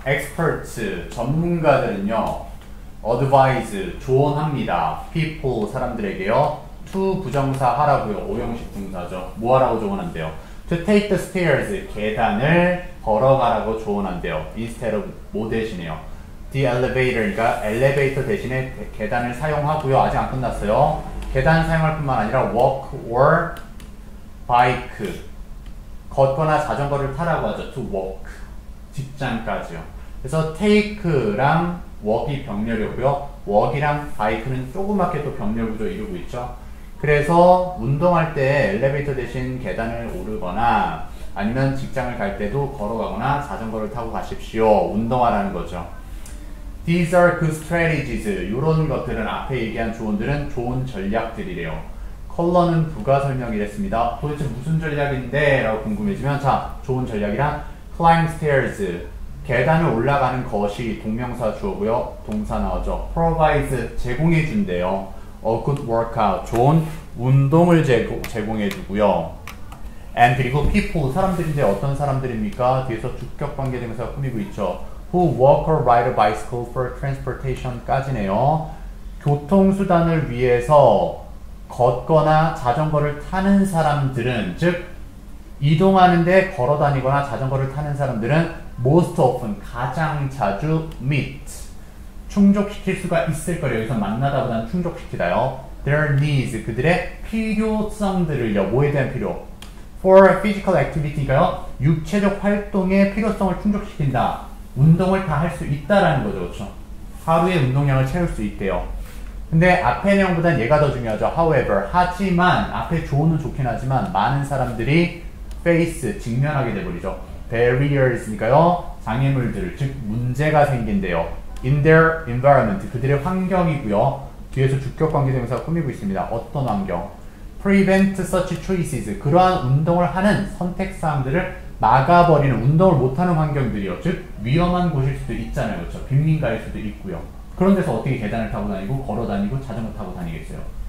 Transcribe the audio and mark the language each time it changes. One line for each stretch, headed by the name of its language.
Korean: Experts, 전문가들은요, advise, 조언합니다. People, 사람들에게요. To, 부정사 하라고요. 오형식 분사죠. 뭐 하라고 조언한대요?
English: To take the stairs,
Korean: 계단을 걸어가라고 조언한대요.
English: Instead of,
Korean: 뭐 대신에요?
English: The elevator,
Korean: 그러니까 엘리베이터 대신에 계단을 사용하고요. 아직 안 끝났어요. 계단 사용할 뿐만 아니라
English: walk or bike,
Korean: 걷거나 자전거를 타라고 하죠.
English: To walk,
Korean: 직장까지요. 그래서 take랑 walk이 병렬이고요. walk이랑 bike는 조그맣게 또 병렬 구조 이루고 있죠. 그래서 운동할 때 엘리베이터 대신 계단을 오르거나 아니면 직장을 갈 때도 걸어가거나 자전거를 타고 가십시오. 운동하라는 거죠.
English: These are good strategies.
Korean: 이런 것들은 앞에 얘기한 조언들은 좋은 전략들이래요. 컬러는 부가 설명이 됐습니다. 도대체 무슨 전략인데? 라고 궁금해지면 자, 좋은 전략이란
English: climb stairs.
Korean: 계단을 올라가는 것이 동명사 주어고요. 동사 나오죠. provide, 제공해 준대요.
English: a good workout,
Korean: 좋은 운동을 제공해 주고요. and 그리고 people, 사람들인데 어떤 사람들입니까? 뒤에서 주격 관계대명사가 꾸미고 있죠.
English: who walk or ride a bicycle for transportation 까지네요.
Korean: 교통수단을 위해서 걷거나 자전거를 타는 사람들은, 즉 이동하는데 걸어 다니거나 자전거를 타는 사람들은
English: most often,
Korean: 가장 자주 meet, 충족시킬 수가 있을 거예요. 여기서 만나다 보다는 충족시키다요.
English: their needs,
Korean: 그들의 필요성들을요. 뭐에 대한 필요?
English: for physical activity
Korean: 가요. 육체적 활동의 필요성을 충족시킨다. 운동을 다 할 수 있다라는 거죠. 그렇죠? 하루의 운동량을 채울 수 있대요. 근데 앞에 내용보다는 얘가 더 중요하죠. however, 하지만 앞에 조언은 좋긴 하지만 많은 사람들이 face, 직면하게 돼버리죠. barriers니까요. 장애물들, 즉 문제가 생긴대요.
English: in their environment,
Korean: 그들의 환경이고요. 뒤에서 주격관계대명사가 꾸미고 있습니다. 어떤 환경?
English: prevent such choices,
Korean: 그러한 운동을 하는 선택사항들을 막아버리는, 운동을 못하는 환경들이요. 즉 위험한 곳일 수도 있잖아요. 그렇죠? 빈민가일 수도 있고요. 그런 데서 어떻게 계단을 타고 다니고 걸어 다니고 자전거 타고 다니겠어요?